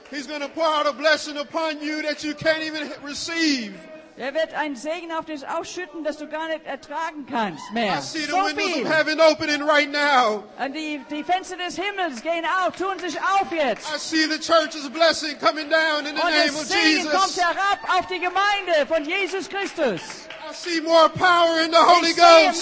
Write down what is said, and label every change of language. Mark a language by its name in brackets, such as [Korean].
[English] He's going to pour out a blessing upon you that you can't even receive. [German] Er wird einen Segen auf dich ausschütten, dass du gar nicht ertragen kannst mehr. [English] I see the windows of heaven opening right now. [German] Und die Fenster des Himmels gehen auf, tun sich auf jetzt. [English] I see the church's blessing coming down in the name of Jesus. [German] Und der Segen kommt herab auf die Gemeinde von Jesus Christus. [English] I see more power in the Holy Ghost.